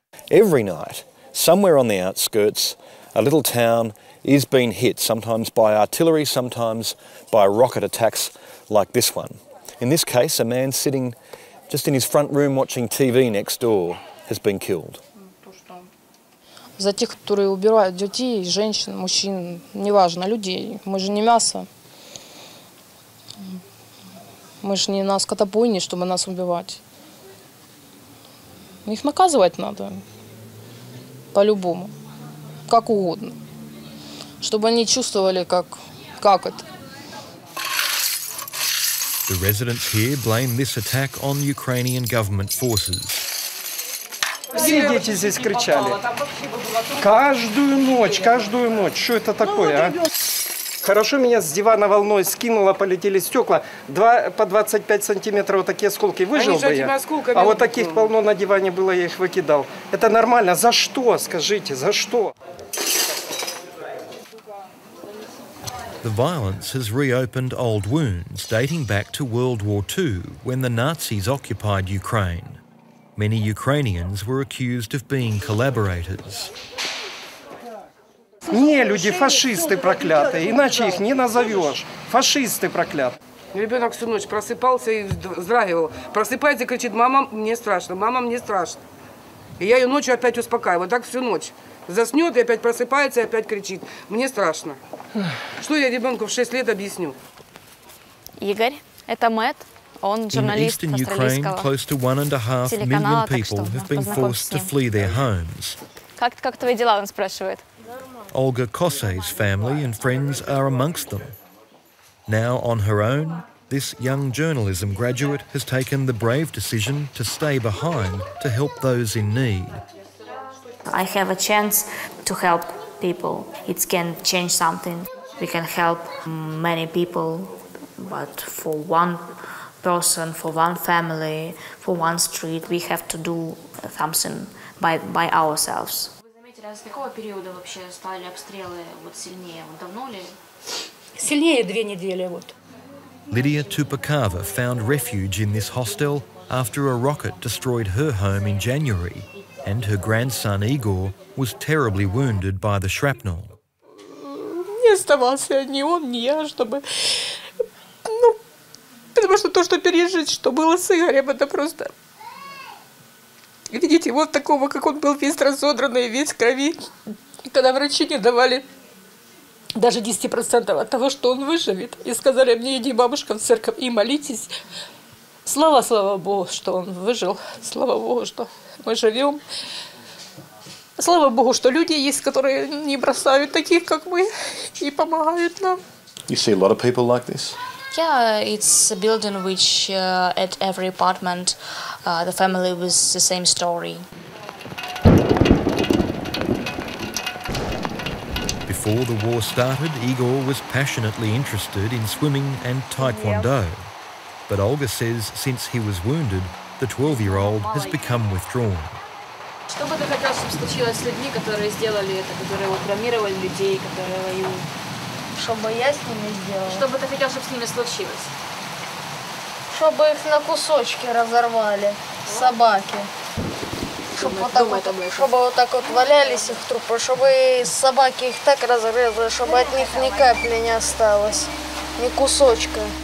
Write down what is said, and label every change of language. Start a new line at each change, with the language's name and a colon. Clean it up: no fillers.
English: Every night, somewhere on the outskirts, a little town is being hit, sometimes by artillery, sometimes by rocket attacks like this one. In this case, a man sitting just in his front room watching TV next door has been killed.
Ukrainian: За тих, хто убирає дітей, жінок, мужчин, неважно, людей. Ми ж не м'ясо. Ми ж не на скотобойні, щоб нас убивати. Їх наказувати треба.
Russian: По-любому, как угодно, чтобы они чувствовали, как это.
English: The residents here blame this attack on Ukrainian government forces.
Russian: Все дети здесь кричали. Каждую ночь, что это такое, а? Хорошо, меня с дивана волной скинуло, полетели стекла. Два по 25 сантиметров, вот такие осколки, выжил бы я. А вот таких полно на диване было, я их выкидал. Это нормально. За что, скажите, за что?
English: The violence has reopened old wounds, dating back to World War II, when the Nazis occupied Ukraine. Many Ukrainians were accused of being collaborators.
Russian: Не, люди, фашисты проклятые, иначе их не назовешь. Фашисты проклятые. Ребенок всю ночь просыпался и вздрагивал. Просыпается и кричит: мама, мне страшно, мама, мне страшно. И я ее ночью опять успокаиваю, вот так всю ночь. Заснет и опять просыпается и опять кричит: мне страшно. Что я ребенку в 6 лет объясню? Игорь, это Мэтт.
English: In eastern Ukraine, close to 1.5 million people have been forced to flee their homes.
Russian: Как твои дела, он спрашивает.
English: Olga Kosse's family and friends are amongst them. Now on her own, this young journalism graduate has taken the brave decision to stay behind to help those in need. I have a chance to help people. It can change something. We can help many people, but for one person, for one family, for one street, we have to do something by ourselves.
Russian: С какого периода вообще стали обстрелы вот сильнее? Вот давно ли? Сильнее 2 недели вот.
English: Lydia Tupakava found refuge in this hostel after a rocket destroyed her home in January, and her grandson Igor was terribly wounded by the shrapnel.
Russian: Не оставался ни он, ни я, чтобы, ну, потому что то, что пережить, что было с Игорем, это просто. Видите, вот такого, как он был весь разодранный, весь в крови, когда врачи не давали даже 10% от того, что он выживет. И сказали мне: иди, бабушка, в церковь и молитесь. Слава Богу, что он выжил. Слава Богу, что мы живем. Слава Богу, что люди есть, которые не бросают таких, как мы, и помогают нам.
English: You see a lot of people like this? Yeah, it's a building which at every apartment the family was the same story. Before the war started, Igor was passionately interested in swimming and taekwondo. Yeah. But Olga says since he was wounded, the 12-year-old has become withdrawn.
Russian: Что бы ты хотел, чтобы случилось с людьми, которые сделали это, которые вот травмировали людей, которые воюют? Чтобы я с ними сделала? Что бы ты хотел, чтобы с ними случилось? Чтобы их на кусочки разорвали, а? Собаки. Чтобы вот, так вот, чтобы вот так вот валялись их трупы, чтобы собаки их так разрезали, чтобы от них ни капли не осталось, ни кусочка.